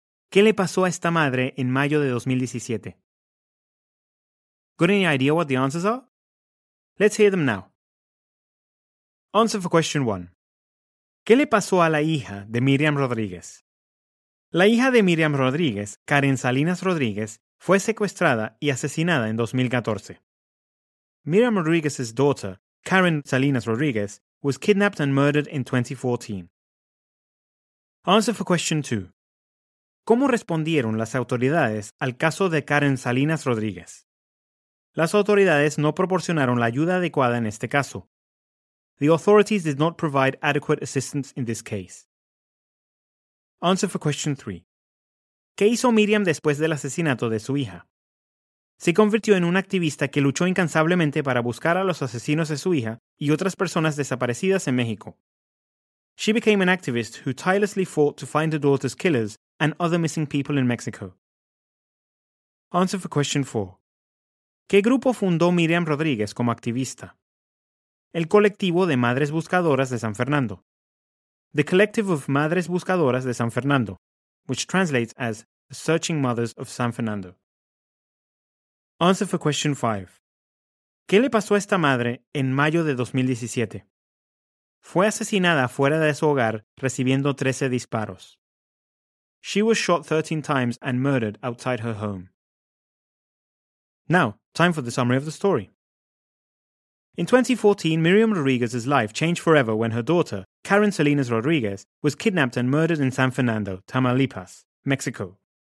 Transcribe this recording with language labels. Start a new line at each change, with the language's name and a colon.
Spanish: ¿Qué le pasó a esta madre en mayo de 2017?
English: Got any idea what the answers are? Let's hear them now. Answer for question 1.
Spanish: ¿Qué le pasó a la hija de Miriam Rodríguez? La hija de Miriam Rodríguez, Karen Salinas Rodríguez, fue secuestrada y asesinada en 2014.
English: Miriam Rodríguez's daughter, Karen Salinas Rodríguez, was kidnapped and murdered in 2014. Answer for question 2.
Spanish: ¿Cómo respondieron las autoridades al caso de Karen Salinas Rodríguez? Las autoridades no proporcionaron la ayuda adecuada en este caso.
English: The authorities did not provide adequate assistance in this case. Answer for question 3.
Spanish: ¿Qué hizo Miriam después del asesinato de su hija? Se convirtió en un activista que luchó incansablemente para buscar a los asesinos de su hija y otras personas desaparecidas en México.
English: She became an activist who tirelessly fought to find her daughter's killers and other missing people in Mexico. Answer for question 4.
Spanish: ¿Qué grupo fundó Miriam Rodríguez como activista? El colectivo de Madres Buscadoras de San Fernando.
English: The Collective of Madres Buscadoras de San Fernando, which translates as the Searching Mothers of San Fernando. Answer for question 5.
Spanish: ¿Qué le pasó a esta madre en mayo de 2017? Fue asesinada fuera de su hogar, recibiendo 13 disparos.
English: She was shot 13 times and murdered outside her home. Now, time for the summary of the story. In 2014, Miriam Rodriguez's life changed forever when her daughter, Karen Salinas Rodriguez, was kidnapped and murdered in San Fernando, Tamaulipas, Mexico.